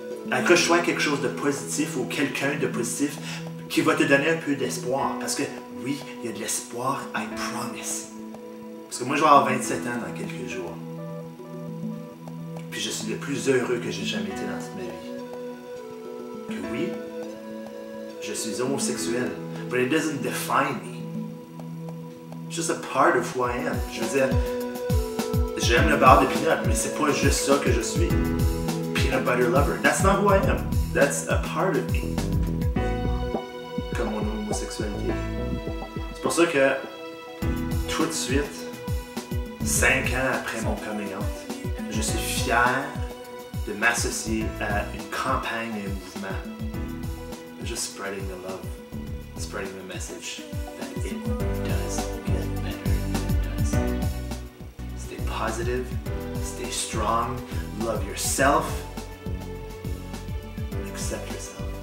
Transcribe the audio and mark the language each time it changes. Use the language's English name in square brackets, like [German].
[French] Accroche-toi à quelque chose de positif ou quelqu'un de positif qui va te donner un peu d'espoir. Parce que oui, il y a de l'espoir, [English] I promise. [French] Parce que moi, je vais avoir 27 ans dans quelques jours. Puis je suis le plus heureux que j'ai jamais été dans toute ma vie. Que oui, je suis homosexuel, [English] but it doesn't define me. It's just a part of who I am. [French] Je veux dire, j'aime le beurre de peanut, mais c'est pas juste ça que je suis. [English] Peanut butter lover. That's not who I am. That's a part of me. [French] Comme mon homosexualité. C'est pour ça que, tout de suite, 5 ans après mon coming out, je suis fier de m'associer à une campagne et un mouvement. [English] Just spreading the love, spreading the message that it does get better. It does. Stay positive, stay strong, love yourself, and accept yourself.